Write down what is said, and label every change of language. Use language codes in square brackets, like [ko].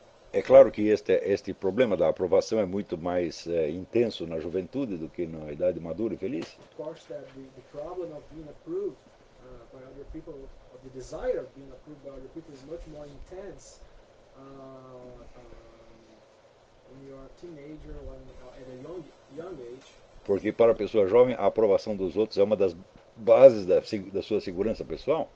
[pt] É claro que este problema da aprovação é muito mais intenso na juventude do que na idade madura e feliz. [en] Of course, that the problem of being approved by other people, of the desire of being approved by other people, is much more intense when you are a teenager, at a young age. [pt] Porque para a pessoa jovem, a aprovação dos outros é uma das bases da sua segurança pessoal.